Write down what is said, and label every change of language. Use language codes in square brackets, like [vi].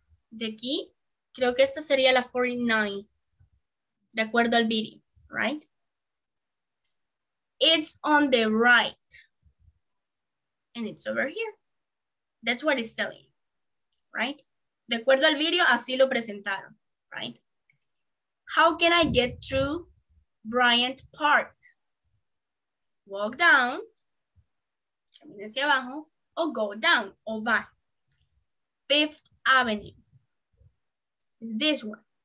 [es] De aquí, creo que esta sería la 49th, de acuerdo al video, right? [en] It's on the right, and it's over here. That's what it's telling you, right? [es] De acuerdo al video, así lo presentaron, right? [en] How can I get through Bryant Park? Walk down, [es] camine hacia abajo, [en] or go down, or by Fifth Avenue. It's this one.